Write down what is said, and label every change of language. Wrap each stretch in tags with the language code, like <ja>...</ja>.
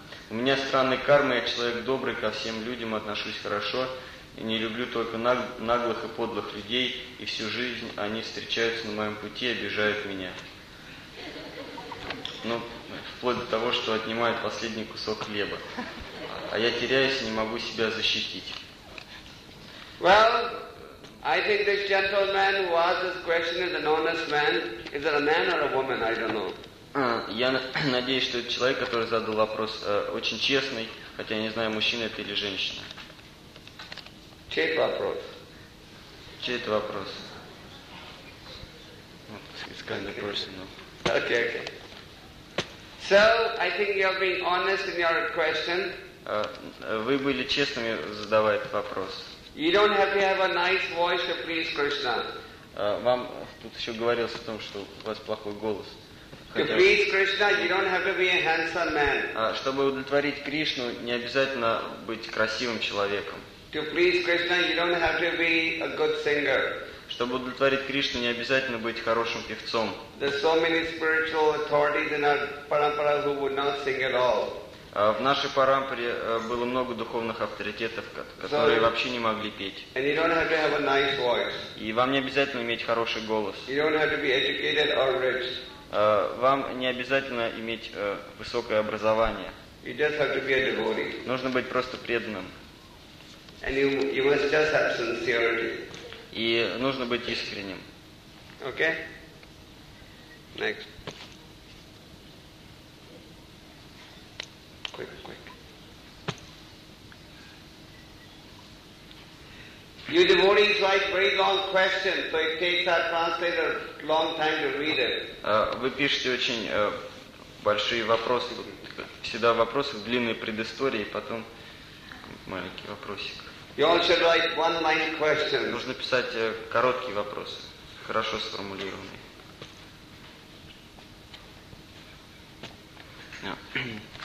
<ru>У меня странная карма, я человек добрый, ко всем людям отношусь хорошо, и не люблю только наглых и подлых людей, и всю жизнь они встречаются на моем пути и обижают меня. Ну, вплоть до того, что отнимают последний кусок хлеба. А я теряюсь и не могу себя защитить.</ru> <en>Well, I think this gentleman who asked this question is an honest man. Is it a man or a woman? I don't know.</en> <ru>Я надеюсь, что этот человек, который задал вопрос, очень честный, хотя я не знаю, мужчина это или женщина. Чей это вопрос? Чей это вопрос?</ru> <en>It's kind of personal. Okay. So, I think you're being honest in your question.</en> <ru>Вы были честными, задавая этот вопрос.</ru> <en>You don't have to have a nice voice to please Krishna.</en> <ru>Вам тут еще говорилось о том, что у вас плохой голос.</ru> <en>To please Krishna, you don't have to be a handsome man.</en> <ru>Чтобы удовлетворить Кришну, не обязательно быть красивым человеком.</ru> <en>To please Krishna, you don't have to be a good singer.</en> <ru>Чтобы удовлетворить Кришну, не обязательно быть хорошим певцом.</ru> <en>There's so many spiritual authorities in our parampara who would not sing at all.</en> <ru>В нашей парампаре было много духовных авторитетов, которые вообще не могли петь.</ru> <en>And you don't have to have a nice voice.</en> <ru>И вам не обязательно иметь хороший голос.</ru> <en>You don't have to be educated or rich.</en> <ru>Вам не обязательно иметь высокое образование.</ru> <en>You just have to be a devotee.</en> <ru>Нужно быть просто преданным.</ru> <en>And you must just have sincerity.</en> <ru>И нужно быть искренним.</ru> <en>Okay. Next. You devotees write very long questions, so it takes our translator a long time to read it.</en> <ru>Вы пишете очень большие вопросы. Всегда вопросы в длинной предыстории, потом маленький вопросик.</ru> <en>You all should write one-line questions.</en> <ru>Нужно писать короткие вопросы, хорошо сформулированные.</ru>